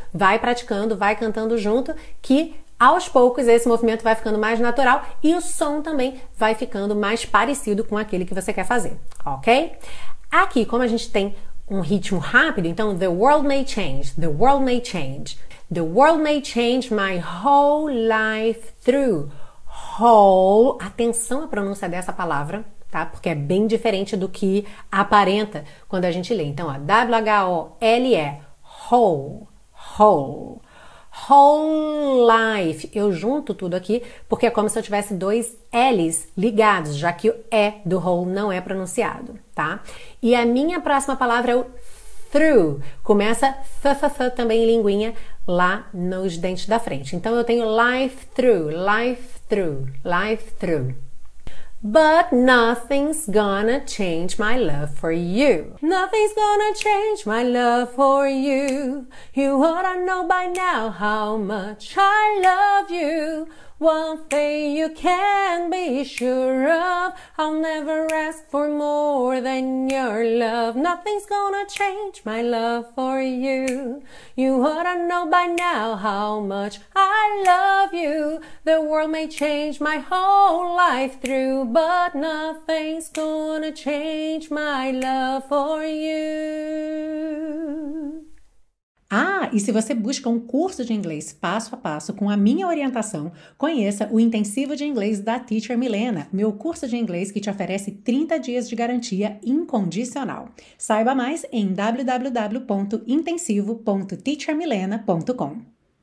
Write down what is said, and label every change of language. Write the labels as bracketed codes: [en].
[pt] Vai praticando, vai cantando junto, que aos poucos esse movimento vai ficando mais natural e o som também vai ficando mais parecido com aquele que você quer fazer, ok? Aqui, como a gente tem um ritmo rápido, então [en] the world may change, the world may change. The world may change my whole life through. [pt] Whole, atenção à pronúncia dessa palavra, tá? Porque é bem diferente do que aparenta quando a gente lê. Então, ó, W-H-O-L-E, whole, whole, whole life. Eu junto tudo aqui porque é como se eu tivesse dois L's ligados, já que o E do whole não é pronunciado, tá? E a minha próxima palavra é o through. Começa f-f-f também em linguinha lá nos dentes da frente. Então, eu tenho [en] life through, life through. Through, life through. But nothing's gonna change my love for you. Nothing's gonna change my love for you. You oughta know by now how much I love you. One thing you can be sure of, I'll never ask for more than your love. Nothing's gonna change my love for you. You ought to know by now how much I love you. The world may change my whole life through, but nothing's gonna change my love for you. [pt] Ah, e se você busca um curso de inglês passo a passo com a minha orientação, conheça o Intensivo de Inglês da Teacher Milena, meu curso de inglês que te oferece 30 dias de garantia incondicional. Saiba mais em www.intensivo.teachermilena.com.